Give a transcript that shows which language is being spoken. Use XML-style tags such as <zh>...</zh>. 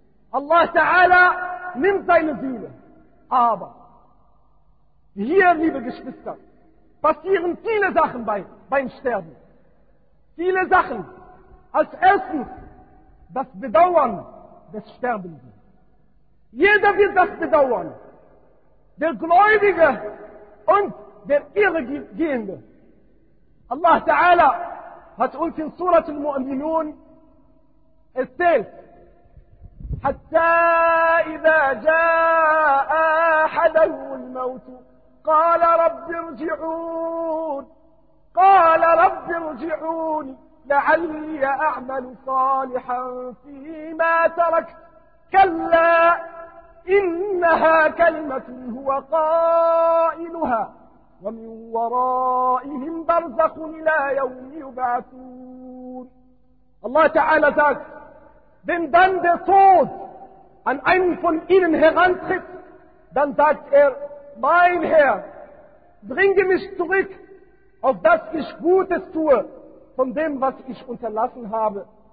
<de>Allah Ta'ala nimmt seine Seele. Aber hier, liebe Geschwister, passieren viele Sachen beim Sterben. Viele Sachen. Als erstes das Bedauern des Sterbenden. Jeder wird das bedauern. Der Gläubige und der Irregehende. Allah Ta'ala hat uns in Surat al-Mu'minun erzählt,</de> <ar>حَتَّى إِذَا جَاءَ أَحَدَهُمُ الْمَوْتُ قَالَ رَبِّ ارْجِعُونِ لَعَلِّي أَعْمَلُ صَالِحًا فِيمَا تَرَكْتُ كَلَّا إِنَّهَا كَلِمَةٌ هُوَ قَائِلُهَا ومن ورائهم برزخ إلى يوم يبعثون.</ar> <de>الله تعالى sagt, wenn dann der Tod an einen von ihnen herantritt, dann sagt er, mein Herr, bringe mich zurück, auf das ich Gutes tue, von dem, was ich unterlassen habe.</de>